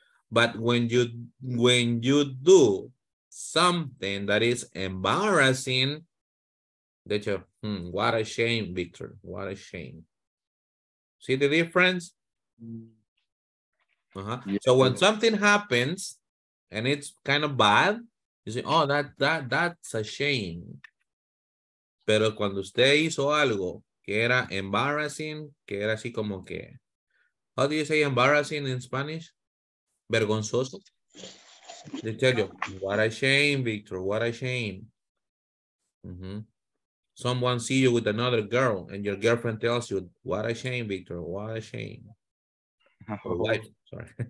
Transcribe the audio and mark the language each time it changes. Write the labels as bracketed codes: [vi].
[en] But when you do something that is embarrassing, that you, what a shame, Victor, what a shame. See the difference? Uh-huh. Yeah. So when something happens and it's kind of bad, you say, oh, that's a shame. [es] Pero cuando usted hizo algo que era embarrassing, que era así como que... [en] How do you say embarrassing in Spanish? Vergonzoso. They tell you, what a shame, Victor, what a shame. Mm-hmm. Someone see you with another girl and your girlfriend tells you, what a shame, Victor, what a shame. Oh. Wife, sorry.